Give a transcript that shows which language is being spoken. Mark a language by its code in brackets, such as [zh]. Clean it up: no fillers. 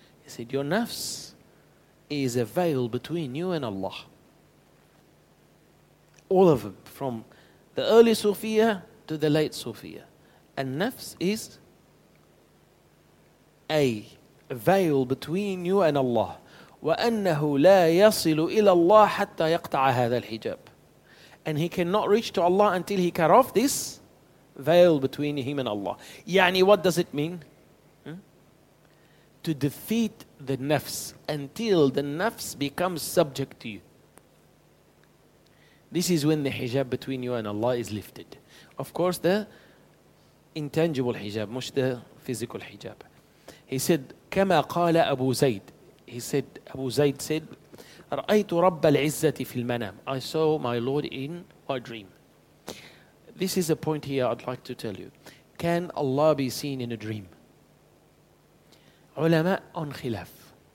[en] He said, your nafs is a veil between you and Allah. All of them, from the early Sufiya to the late Sufiya. And nafs is a veil between you and Allah. [ar] وأنه لا يصل إلى الله حتى يقطع هذا الحجاب. [en] And he cannot reach to Allah until he cut off this veil between him and Allah. يعني what does it mean? To defeat the nafs until the nafs becomes subject to you. This is when the hijab between you and Allah is lifted. Of course, the intangible hijab, مش the physical hijab. He said, [ar] كما قال أبو زيد. [en] He said, أبو زيد said, [ar] رأيت رب العزة في المنام. [en] I saw my Lord in a dream. This is a point here I'd like to tell you. Can Allah be seen in a dream? [ar] علماء عن خلاف.